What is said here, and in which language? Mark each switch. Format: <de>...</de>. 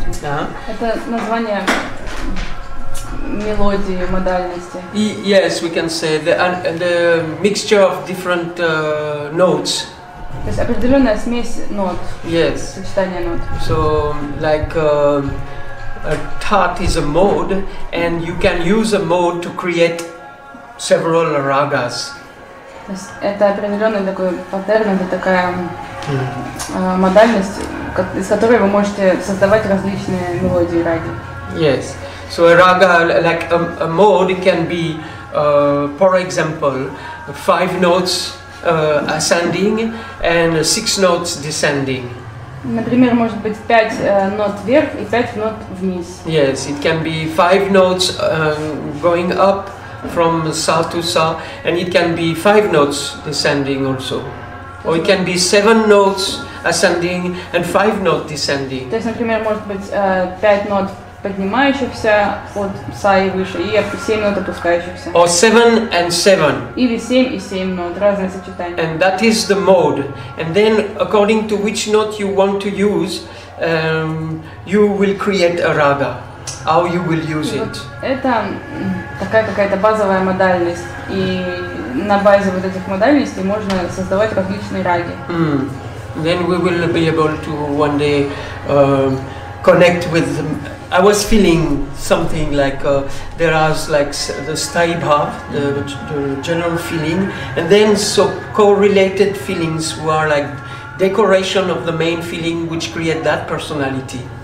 <ru>Это название мелодии, модальности.</ru> <en>Yes, we can say the mixture of different notes.</en> <ru>То есть определенная смесь нот.</ru> <en>Yes.</en> <ru>Сочетание нот.</ru> <en>So like a tat is a mode, and you can use a mode to create several ragas.</en> <ru>То есть это определенный такой паттерн, это такая модальность. Из которой вы можете создавать различные мелодии раги.</ru> <en>Yes. So a raga, like a mode, can be, for example, 5 notes ascending and 6 notes descending.</en> <ru>Например, может быть 5 нот вверх и 5 нот вниз.</ru> <en>Yes, it can be 5 notes going up from са to са, and it can be 5 notes descending also. Or it can be 7 notes ascending and 5 notes descending.</en> <ru>То есть, например, может быть 5 нот поднимающихся от са и выше и 7 нот опускающихся.</ru> <en>Or 7 and 7.</en> <ru>Или 7 и 7 нот, разные сочетания.</ru> <en>And that is the mode. And then according to which note you want to use, you will create a raga. How you will use it.</en> <ru>Это такая какая-то базовая модальность. И на базе вот этих модальностей можно создавать различные раги.</ru> <en>Then we will be able to one day connect with them. I was feeling something like there was like the sthayibhav, the general feeling, and then so correlated feelings who are like decoration of the main feeling which create that personality.</en>